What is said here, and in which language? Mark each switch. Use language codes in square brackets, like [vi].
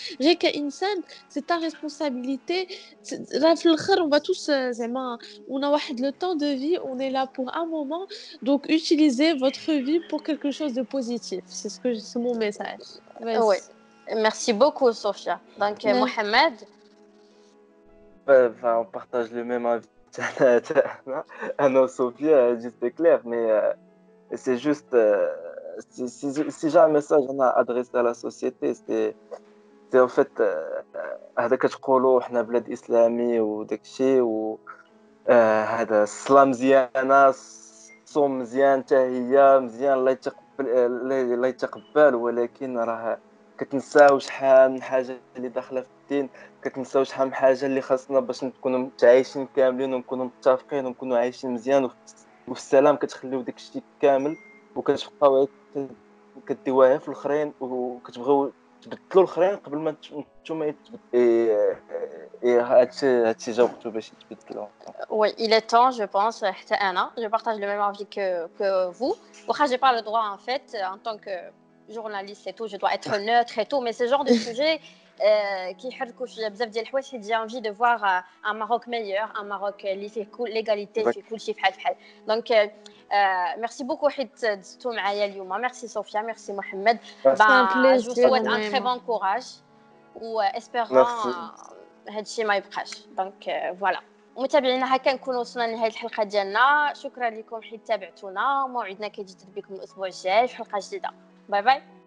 [fr] Réinsane, c'est ta responsabilité. On va tous, on a le temps de vie, on est là pour un moment. Donc, utilisez votre vie pour quelque chose de positif. C'est ce que c'est mon message. Merci beaucoup, Sophia. Donc, Mohamed. Enfin, on partage le même avis à nos Sophia, juste clair, mais c'est juste si j'ai un message on a adressé à la société, c'est en fait [ar] هذا كتقولوا حنا بلاد اسلامي وداك الشيء و هذا السلام زيانا صوم مزيان حتى هي مزيان الله يتقبل الله يتقبل ولكن راه كتنساو شحال من حاجه اللي داخله في الدين كتنساو شحال من حاجه اللي خاصنا باش نكونوا متعايشين كاملين ونكونوا متفقين ونكونوا عايشين مزيان وفي السلام كتخليو داك الشيء كامل وكتبقاو كديوها في الاخرين وكتبغيو تبدلوا الاخرين قبل ما نتوما يتبدل هادشي جاوبتو باش يتبدلوا [fr] وي il est temps je pense [ar] حتى انا [fr] je partage le même avis que vous واخا j'ai pas le droit en fait en tant que journaliste et tout je dois être neutre et tout mais ce genre de sujet qui j'ai envie de voir un Maroc meilleur un Maroc qui cool l'égalité qui cool [ar] chi fhal fhal [fr] donc merci beaucoup hit tout [ar] معايا اليوم [fr] merci Sophia merci Mohamed je vous souhaite un très bon courage ou espérons [ar] هذا الشيء ما يبقاش [fr] donc voilà [ar] متابعينا هكا نكونوا وصلنا لنهايه الحلقه ديالنا شكرا لكم حيت تابعتونا موعدنا كيتجدد بكم الاسبوع الجاي في حلقه جديده [fr] Bye-bye.